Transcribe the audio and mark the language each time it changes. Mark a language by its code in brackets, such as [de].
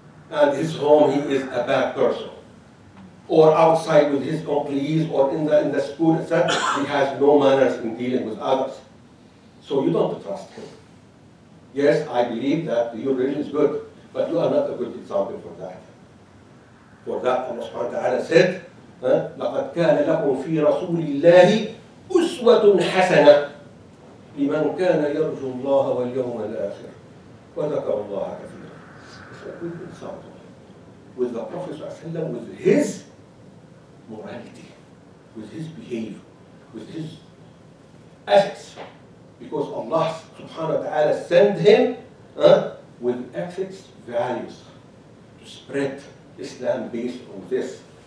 [en] And his home, he is a bad person. Or outside with his employees or in the school, etc. He has no manners in dealing with others. So you don't trust him. Yes, I believe that your religion is good, but you are not a good example for that. For that, Allah subhanahu wa ta'ala said, [ar] لَقَدْ كَانَ لَكُمْ فِي رَسُولِ اللَّهِ أُسْوَةٌ حَسَنَةٌ لِمَنْ كَانَ يَرْجُو اللَّهَ وَالْيَوْمَ الْآخِرِ وَذَكَرُ اللَّهَ كَثِيرًا. [en] It's a good example. with the Prophet ﷺ, with his morality, with his behavior, with his ethics. Because Allah subhanahu wa ta'ala sent him with ethics, values, to spread Islam based on this.